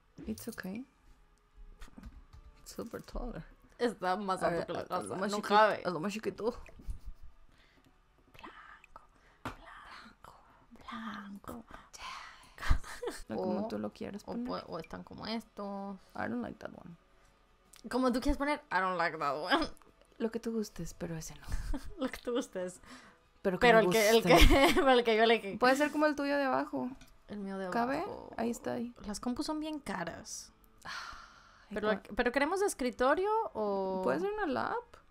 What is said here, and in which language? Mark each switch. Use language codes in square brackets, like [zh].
[en] It's okay. Super taller. [es] Está más alto que la casa. No cabe. Es lo más chiquito. Blanco. [en] Yeah. [es] Como tú lo quieres poner. O están como estos. [en] I don't like that one. [es] Como tú quieres poner, [en] I don't like that one. [es] Lo que tú gustes, pero ese no. Lo que tú gustes. Pero el que, yo le dije. Puede ser como el tuyo de abajo. El mío de abajo. ¿Cabe? Ahí está ahí. Las compus son bien caras. ¿Pero queremos de escritorio o...? ¿Puede ser una lap?